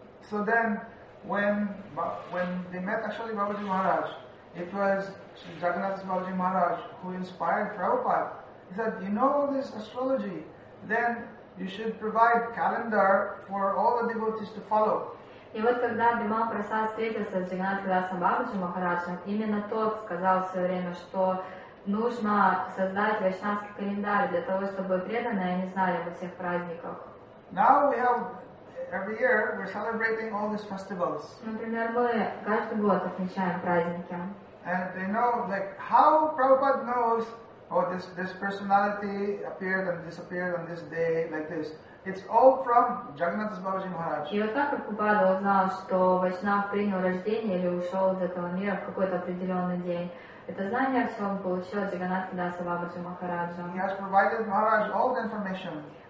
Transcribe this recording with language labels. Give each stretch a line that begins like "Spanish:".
English: So then, when they met actually Babaji Maharaj, it was Jagannath Babaji Maharaj who inspired Prabhupada. He said, "You know all this astrology. Then you should provide calendar for all the devotees to follow."
Russian: И вот когда Бимал Прасад встретился с Джаганнатхадасом Бабаджи Махараджем, именно тот сказал в свое время, что нужно создать вайшнавский календарь для того, чтобы преданные не знали обо всех праздниках.
English: Now we have every year we're celebrating all these festivals.
Russian: Например, мы каждый год отмечаем праздники.
English: And they know like how Prabhupada knows. Oh, this personality appeared and disappeared on this day, like this. It's all from Jagannath Babaji Maharaj.
Russian: И вот так Прабхупада узнал, что Вайшнав принял рождение или ушел из этого мира в какой-то определенный день. Это знание все он получил от Джаганнатхадаса Бабаджи Махараджа.
English: He has provided Maharaj all the information.